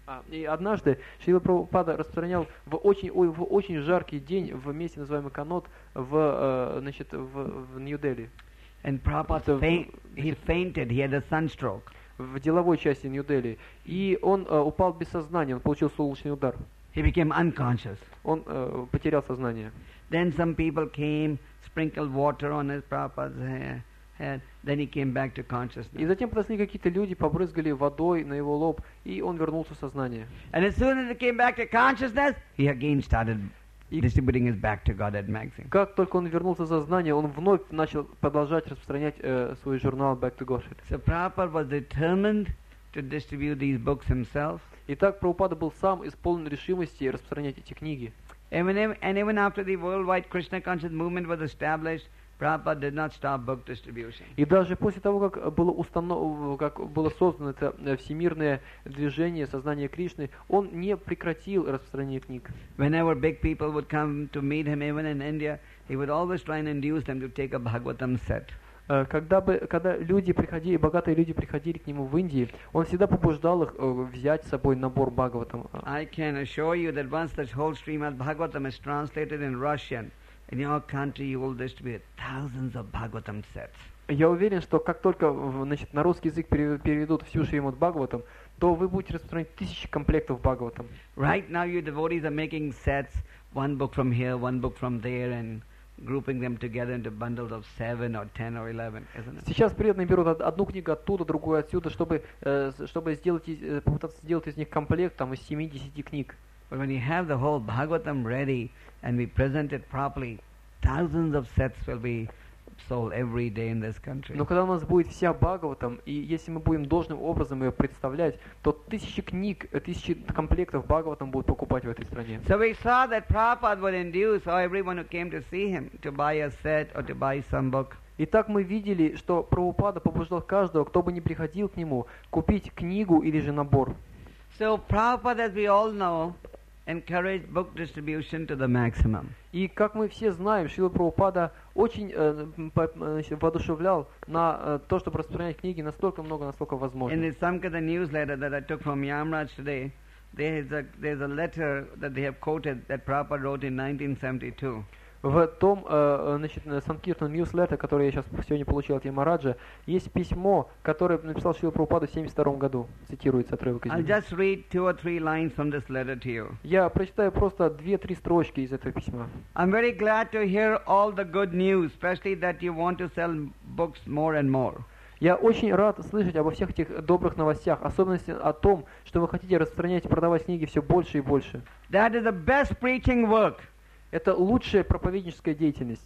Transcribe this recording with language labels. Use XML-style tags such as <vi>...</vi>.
<ru>И однажды Шрила Прабхупада распространял в очень жаркий день в месте, называемом Connaught, в Нью-Дели.</ru> <en>And Prabhupada he fainted. He had a sunstroke.</en> <ru>В деловой части Нью-Дели, и он упал без сознания. Он получил солнечный удар.</ru> <en>He became unconscious.</en> <ru>Он потерял сознание.</ru> <en>Then some people came, sprinkled water on his Prabhupada's head. Then he came back to consciousness.</en> <ru>И затем подошли какие-то люди, побрызгали водой на его лоб, и он вернулся в сознание.</ru> <en>And as soon as he came back to consciousness, he again started distributing his Back to Godhead magazine.</en> <ru>Как только он вернулся в сознание, он вновь начал продолжать распространять свой журнал Back to Godhead.</ru> <en>So Prabhupada was determined to distribute these books himself.</en> <ru>Итак, Прабхупада был сам исполнен решимости распространять эти книги.</ru> <en>And even after the worldwide Krishna conscious movement was established, Prabhupada did not stop book distribution.</en> <ru>И даже после того, как было создано это всемирное движение сознания Кришны, он не прекратил распространение книг.</ru> <en>Whenever big people would come to meet him, even in India, he would always try and induce them to take a Bhagavatam set.</en> <ru>Когда люди приходили, богатые люди приходили к нему в Индии, он всегда побуждал их взять с собой набор Бхагаватам.</ru> <en>I can assure you that once this whole stream of Bhagavatam is translated in Russian, in your country you will distribute thousands of Bhagavatam sets.</en> <ru>Я уверен, что как только, значит, на русский язык переведут всю Шримад Бхагаватам, то вы будете распространять тысячи комплектов Бхагаватам.</ru> <en>Right now your devotees are making sets, one book from here, one book from there, and grouping them together into bundles of 7 or 10 or 11, isn't it?</en> <ru>Сейчас преданные берут одну книгу оттуда, другую отсюда, чтобы попытаться сделать из них комплект из 70 книг.</ru> <en>But when you have the whole Bhagavatam ready and we present it properly, thousands of sets will be sold every day in this country.</en> <ru>Но когда у нас будет вся Бхагаватам, и если мы будем должным образом ее представлять, то тысячи книг, тысячи комплектов Бхагаватам будут покупать в этой стране.</ru> <en>So we saw that Prabhupada would induce everyone who came to see him to buy a set or to buy some book.</en> <ru>Итак, мы видели, что Прабхупада побуждал каждого, кто бы ни приходил к нему, купить книгу или же набор.</ru> <en>So Prabhupada, as we all know, encouraged book distribution to the maximum.</en> <ru>И как мы все знаем, Шрила Прабхупада очень воодушевлял на то, чтобы распространять книги настолько много, насколько возможно.</ru> <en>In the Samkata newsletter that I took from Yamraj today, there's a letter that they have quoted that Prabhupada wrote in 1972.</en> <ru>В том значит, Санкиртан ньюслеттере, который я сейчас сегодня получил от Ямараджа, есть письмо, которое написал Шрила Прабхупада в 72 году. Цитируется отрывок из него.</ru> <en>I'll just read two or three lines from this letter to you.</en> <ru>Я прочитаю просто 2-3 строчки из этого письма.</ru> <en>I'm very glad to hear all the good news, especially that you want to sell books more and more.</en> <ru>Я очень рад слышать обо всех этих добрых новостях, особенно о том, что вы хотите распространять и продавать книги все больше и больше.</ru> <en>That is the best preaching work.</en> <ru>Это лучшая проповедническая деятельность.</ru>